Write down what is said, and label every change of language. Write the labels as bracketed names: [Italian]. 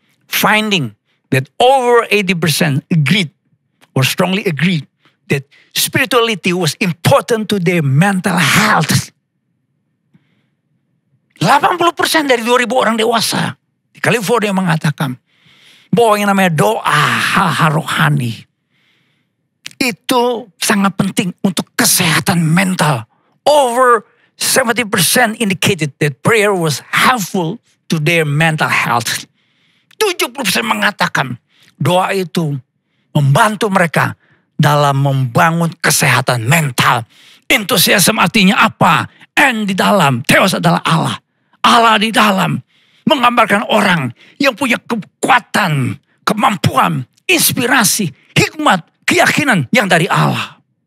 [English] Finding that over 80% agreed or strongly agreed that spirituality was important to their mental health. [Indonesian] 80% dari 2000 orang dewasa di California mengatakan bahwa yang namanya doa, hal-hal rohani itu sangat penting untuk kesehatan mental. [English] Over 70% indicated that prayer was helpful to their mental health. [Indonesian] 70% mengatakan doa itu membantu mereka dalam membangun kesehatan mental. Enthusiasm artinya apa? And di dalam, Theos adalah Allah. Allah di dalam menggambarkan orang yang punya kekuatan, kemampuan, inspirasi, hikmat, keyakinan yang dari Allah.